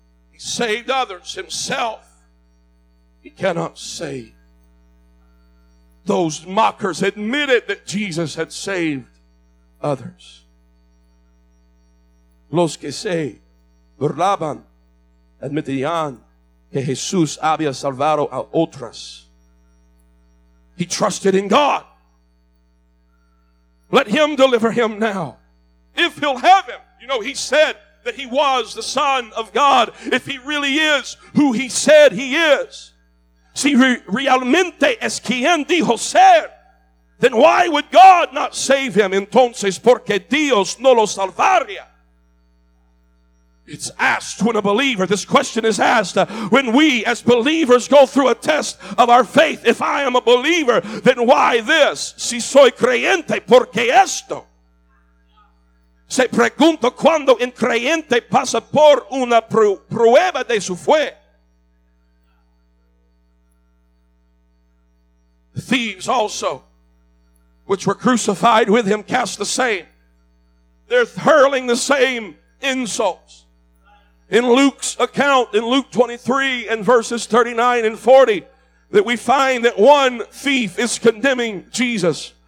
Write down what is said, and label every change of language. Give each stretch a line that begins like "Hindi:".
English: He saved others. Himself, he cannot save. Those mockers admitted that Jesus had saved others.
Spanish: Los que se burlaban admitían que Jesús había salvado a otras.
English: He trusted in God. Let him deliver him now, if he'll have him. You know, he said that he was the Son of God, if he really is who he said he is.
Spanish: Si realmente es quien dijo ser,
English: then why would God not save him?
Spanish: Entonces, porque Dios no lo salvaría.
English: It's asked when a believer, this question is asked, when we as believers go through a test of our faith. If I am a believer, then why this?
Spanish: Si soy creyente, ¿por qué esto? Se pregunta cuando un creyente pasa por una prueba de su fe.
English: Thieves also, which were crucified with him, cast the same. They're hurling the same insults. In Luke's account, in Luke 23 and verses 39 and 40, that we find that one thief is condemning Jesus.